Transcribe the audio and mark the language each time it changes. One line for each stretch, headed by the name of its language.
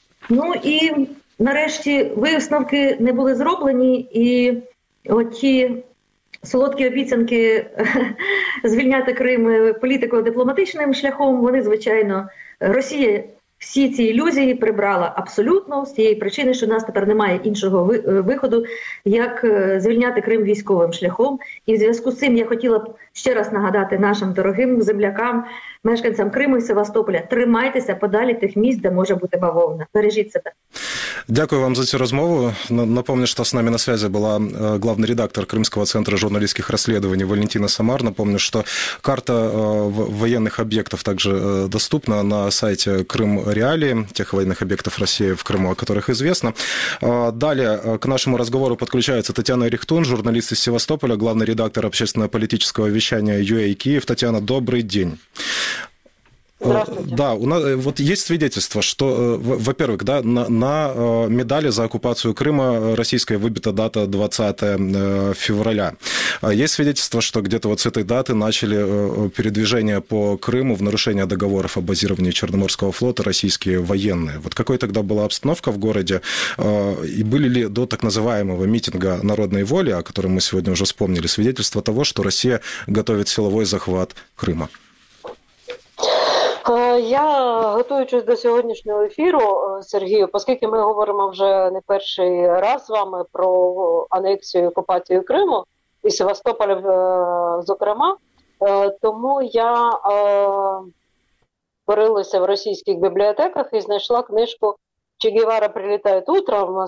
Ukrainian: Ну і нарешті висновки не були зроблені, і оті солодкі обіцянки звільняти Крим політико-дипломатичним шляхом, вони, звичайно, Росія всі ці ілюзії прибрала абсолютно з тієї причини, що в нас тепер немає іншого виходу, як звільняти Крим військовим шляхом. І в зв'язку з цим я хотіла б ще раз нагадати нашим дорогим землякам, мешканцям Криму і Севастополя, тримайтеся подалі тих місць, де може бути бавовна. Бережіть себе. Дякую вам за цю розмову.
Russian: Напомню, что с нами на связи была главный редактор Крымского центра журналистских расследований Валентина Самар. Напомню, что карта военных объектов также доступна на сайте Крым Реалии, тех военных объектов России в Крыму, о которых известно. Далее к нашему разговору подключается Татьяна Рихтун, журналист из Севастополя, главный редактор общественно-политического вещания UA Киев. Татьяна, добрый день. Да, у нас вот есть свидетельство, что, во-первых, да, на медали за оккупацию Крыма российской выбита дата 20 февраля. Есть свидетельство, что где-то вот с этой даты начали передвижение по Крыму в нарушение договоров о базировании Черноморского флота российские военные. Вот какой тогда была обстановка в городе? И были ли до так называемого митинга народной воли, о котором мы сегодня уже вспомнили, свидетельство того, что Россия готовит силовой захват Крыма?
Ukrainian: Я, готуючись до сьогоднішнього ефіру, Сергію, оскільки ми говоримо вже не перший раз з вами про анексію і окупацію Криму і Севастополя, зокрема, тому я порилася в російських бібліотеках і знайшла книжку «Че Гевара прилітає утром.